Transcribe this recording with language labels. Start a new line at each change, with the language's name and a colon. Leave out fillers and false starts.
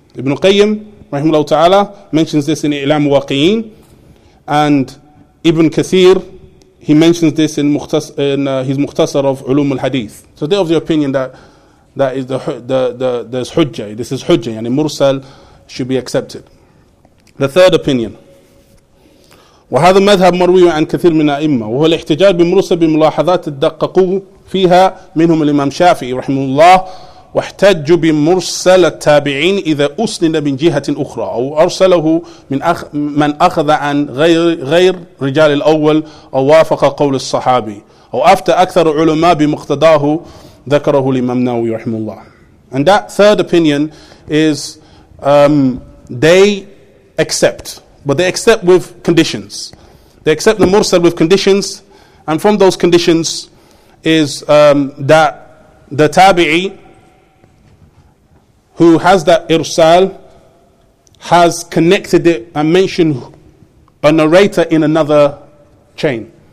English: Ibn Qayyim, rahimahullah ta'ala, mentions this in I'lam Waqi'in, and Ibn Kathir, he mentions this in his Mukhtasar of Ulum al-Hadith. So they're of the opinion that there's Hujjah, this is Hujjah, and Mursal should be accepted. The third opinion,
Arabic: وهذا مذهب مروي عن كثير من الأئمة وهو الاحتجاج بمرسل بملاحظات تدققوا فيها منهم الإمام شافعي رحمه الله واحتج بمرسل التابعين إذا أسند من جهة أخرى أو أرسله من أخذ عن غير رجال الأول أو وافق قول الصحابي أو أفتى أكثر علماء بمقتداه ذكره الإمام نووي رحمه الله.
English: And that third opinion is they accept. But they accept with conditions. They accept the mursal with conditions. And from those conditions is that the tabi'i who has that irsal has connected it and mentioned a narrator in another chain.